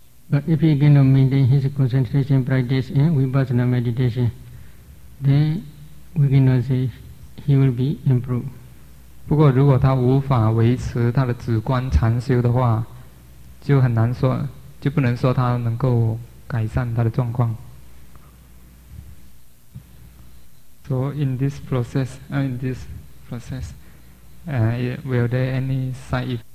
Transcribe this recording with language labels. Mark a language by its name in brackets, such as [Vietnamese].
[English] But if he cannot maintain his concentration practice and vipassana meditation, then we cannot say he will be improved. [Chinese] 不过如果他无法维持他的止观禅修的话， 就很难说， 就不能说他能够改善他的状况。 [English] So in this process, will there any side effect?